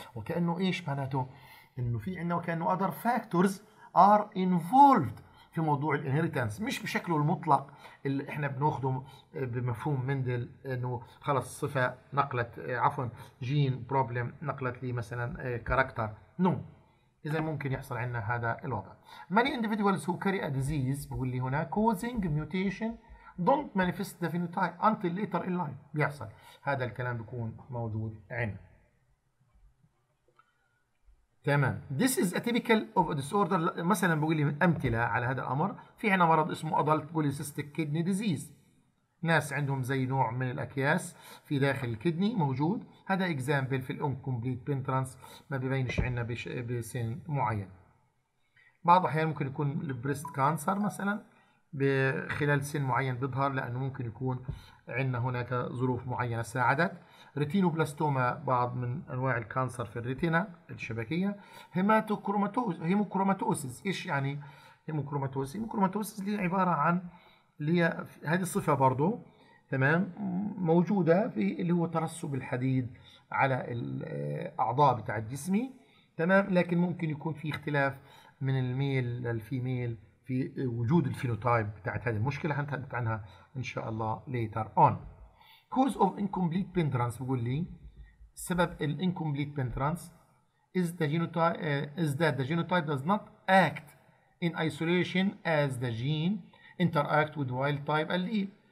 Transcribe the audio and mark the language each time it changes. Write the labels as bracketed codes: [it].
[ar] وكانه ايش معناته؟ انه في عندنا وكانه [en] other factors are involved [ar] في موضوع الانهيرتنس، مش بشكله المطلق اللي احنا بناخده بمفهوم مندل انه خلص صفة نقلت، عفوا جين بروبلم نقلت لي مثلا كاركتر، نو. اذا ممكن يحصل عندنا هذا الوضع. [en] Many individuals who carry a disease [ar] بقول لي هنا [en] causing mutation don't manifest the phenotype until later in life. [ar] بيحصل هذا الكلام بيكون موجود عندنا. [en] تمام. This is a typical of a disorder. [ar] مثلا بقول لي أمثلة على هذا الأمر، في عنا مرض اسمه adult polycystic kidney disease، ناس عندهم زي نوع من الأكياس في داخل الكدني موجود. هذا example في incomplete penetrance، ما بيبينش عنا بسن معين. بعض الأحيان ممكن يكون breast cancer مثلا بخلال سن معين بيظهر، لأنه ممكن يكون عنا هناك ظروف معينة ساعدت. ريتينوبلاستوما بعض من انواع الكانسر في الريتينا الشبكيه. هيموكروماتوسيس ايش يعني؟ هيموكروماتوسيس، هيموكروماتوسيس اللي عباره عن اللي هي هذه الصفه برضو، تمام، موجوده في اللي هو ترسب الحديد على الاعضاء بتاع الجسم، تمام، لكن ممكن يكون في اختلاف من الميل للفيميل في وجود الفينوتايب بتاعت هذه المشكله، هنتحدث عنها ان شاء الله ليتر اون. [en] Cause of incomplete penetrance [ar] بقول لي سبب ال [en] incomplete penetrance is the genotype is that the genotype does not act in isolation as the gene interact with wild type allele.